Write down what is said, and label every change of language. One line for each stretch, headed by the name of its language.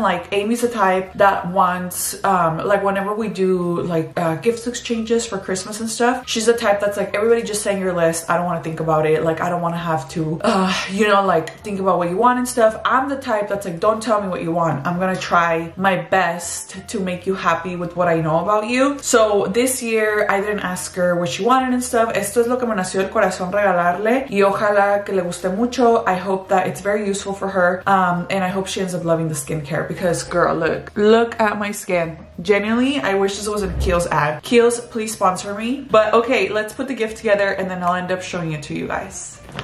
English: Like, Amy's the type that wants, like whenever we do like gift exchanges for Christmas and stuff, she's the type that's like, everybody just send your list. I don't wanna think about it. Like, I don't wanna have to, you know, like think about what you want and stuff. I'm the type that's like, don't tell me what you want. I'm gonna try my best to make you happy with what I know about you. So this year I didn't ask her what she wanted and stuff.
Spanish: Esto es lo que me nació corazón regalarle, y ojalá que le guste mucho.
English: I hope that it's very useful for her, and I hope she ends up loving the skincare, because girl, look at my skin. Genuinely, I wish this was a Kiehl's ad. Kiehl's, please sponsor me. But okay, let's put the gift together and then I'll end up showing it to you guys.